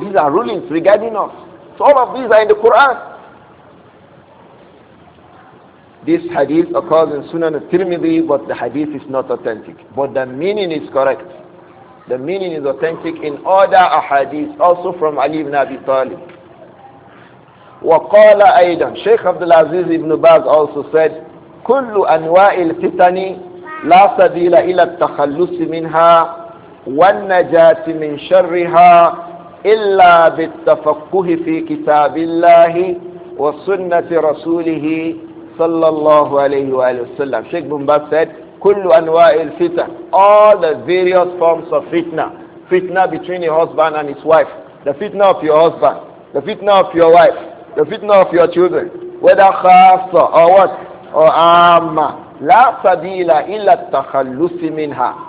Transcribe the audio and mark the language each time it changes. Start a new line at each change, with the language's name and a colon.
English: These are rulings regarding us. So all of these are in the Quran. This hadith occurs in Sunan al-Tirmidhi, but the hadith is not authentic. But the meaning is correct. The meaning is authentic in other ahadith, also from Ali ibn Abi Talib.
Arabic: وَقَالَ أَيْدًا.
English: Shaykh Abdul Aziz ibn Baz also said,
Arabic: كُلُّ أَنْوَاءِ الْفِتَنِ لَا سَبِيلَ إِلَى التَّخَلُّسِ مِنْهَا وَالنَّجَاةِ مِنْ شَرِّهَا إلا بالتفقه في كتاب الله وسنة رسوله صلى الله عليه وآله وسلم.
English: شيخ بن باز said
Arabic: كل أنواع الفتن,
English: all the various forms of fitna, fitna between your husband and his wife, the fitna of your husband, the fitna of your wife, the fitna of your children, whether خاصة or what or عامة,
Arabic: لا سبيل إلا التخلص منها.